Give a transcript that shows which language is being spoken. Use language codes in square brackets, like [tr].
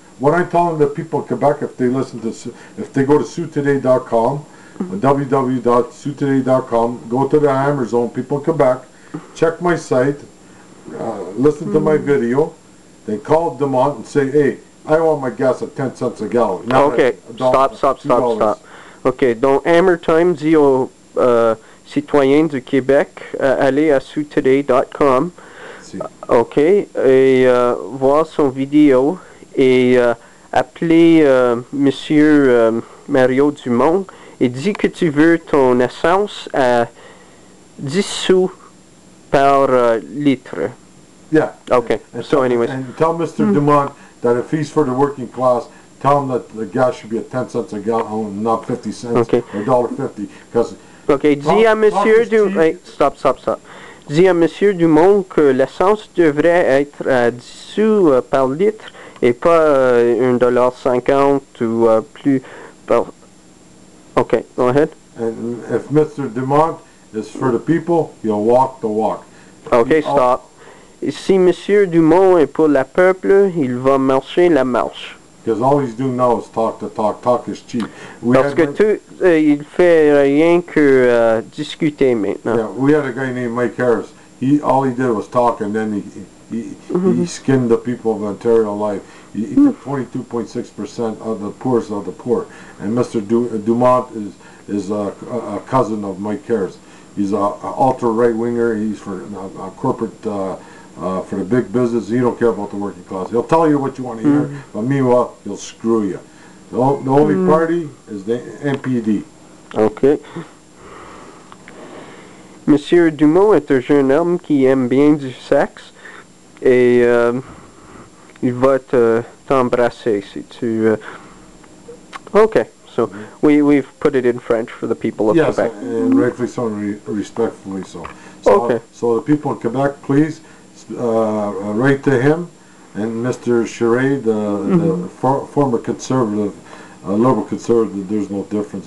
[en] What I'm telling the people in Quebec, if they listen to... If they go to suetoday.com, www.suetoday.com, go to the Hammer Zone, people in Quebec, check my site, listen to my video, then call DeMont and say, hey, I want my gas at 10 cents a gallon. Not okay, stop. Okay, [fr] donc [en] Hammertime, Zio... [fr] citoyens du Québec, allez à suetoday.com, ok, et voir son vidéo, et appeler Monsieur Mario Dumont, et dis que tu veux ton essence à 10 sous par litre. [en] Yeah. Ok, and so anyways. And tell Mr. Dumont that if he's for the working class, tell him that the gas should be at 10 cents a gallon, not 50 cents, okay. Or $1.50, because... [fr] Okay, dis à Monsieur Dumont... [en] Hey, stop. [fr] Dis à Monsieur Dumont que l'essence devrait être à 10 sous par litre et pas 1,50 $ ou plus par... [en] Okay, go ahead. And if Mr. Dumont is for the people, he'll walk the walk. Okay, stop. [fr] Et si Monsieur Dumont est pour le peuple, il va marcher la marche. [en] Because all he's doing now is talk to talk. Talk is cheap. [fr] Il fait rien que discuter maintenant. [en] Yeah, we had a guy named Mike Harris. All he did was talk, and then he skinned the people of Ontario alive. He took 22.6% of the poorest of the poor. And Mr. Dumont is a cousin of Mike Harris. He's an ultra-right-winger. He's for a corporate... for the big business, you don't care about the working class. He'll tell you what you want to hear, but meanwhile, he'll screw you. The only party is the NPD. Okay. [fr] Monsieur Dumont est un jeune homme qui aime bien du sexe, et il va t'embrasser si tu... [en] Okay, so we've put it in French for the people of Quebec. Yes, and rightfully so, and respectfully so. Okay. So the people in Quebec, please... write to him and Mr. Charest, the former conservative, liberal conservative. There's no difference.